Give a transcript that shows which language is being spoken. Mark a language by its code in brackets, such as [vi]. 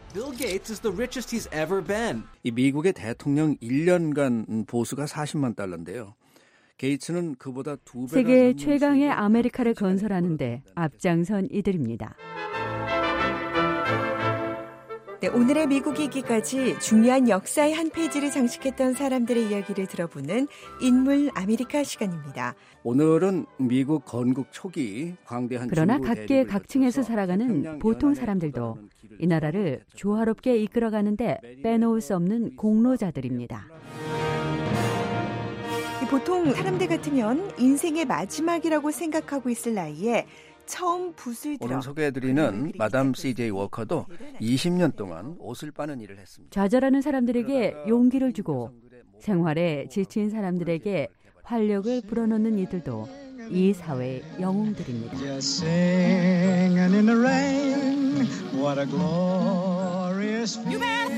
[en] Bill Gates is the richest he's ever been. [ko] 이 미국의 대통령 1년간 보수가 40만 달러인데요. 게이츠는 그보다 두 배나 세계 최강의 아메리카를 건설하는 데 앞장선 이들입니다. 네, 오늘의 미국 얘기까지 중요한 역사의 한 페이지를 장식했던 사람들의 이야기를 들어보는 인물 아메리카 시간입니다. 오늘은 미국 건국 초기 광대한 그러나 각계 각층에서 살아가는 보통 사람들도 이 나라를 조화롭게 이끌어가는데 빼놓을 수 없는 공로자들입니다. 보통 사람들 같으면 인생의 마지막이라고 생각하고 있을 나이에 처음 붓을 들어 오늘 소개해드리는 마담 CJ 워커도 20년 동안 옷을 빠는 일을 했습니다. 좌절하는 사람들에게 용기를 주고 생활에 지친 사람들에게 활력을 불어넣는 이들도 이 사회의 영웅들입니다. [en] Singing in the rain, what a glorious feeling.